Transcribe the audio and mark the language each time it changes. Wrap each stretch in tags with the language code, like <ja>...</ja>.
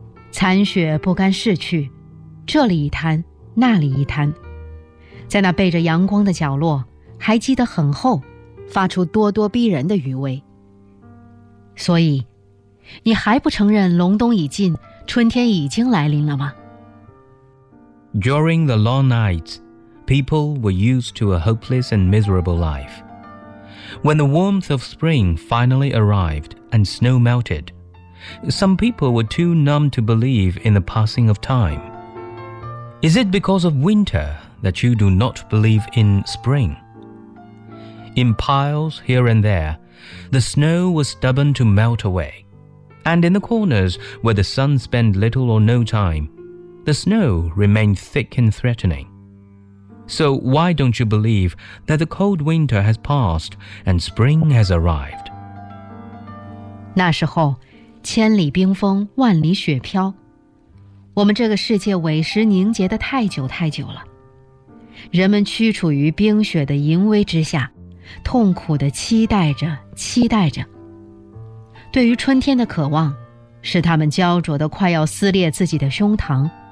<zh>残雪不甘逝去，这里一滩，那里一滩，在那背着阳光的角落，还积得很厚，发出咄咄逼人的余威。所以，你还不承认隆冬已尽，春天已经来临了吗？</zh> <en>During the long nights, people were used to a hopeless and miserable life. When the warmth of spring finally arrived and snow melted, some people were too numb to believe in the passing of time. Is it because of winter that you do not believe in spring? In piles here and there,The snow was stubborn to melt away, and in the corners where the sun spent little or no time, the snow remained thick and threatening. So why don't you believe that the cold winter has passed and spring has arrived?</en> <zh>那时候，千里冰封，万里雪飘，我们这个世界委实凝结得太久太久了，人们屈处于冰雪的淫威之下。痛苦地期待着，期待着。对于春天的渴望，使他们焦灼得快要撕裂自己的胸膛。</zh>